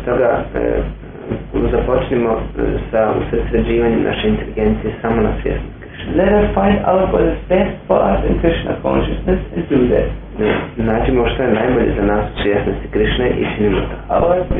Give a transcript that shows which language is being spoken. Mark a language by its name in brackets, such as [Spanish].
[Croatian] Iz toga započnimo sa usredsređivanjem naše inteligencije samo na svjesnost. [English] Let us find out what is best for us in Krishna consciousness and do that. [Croatian] Nađemo što je najbolje za nas u svjesnosti Krišne i činimo to.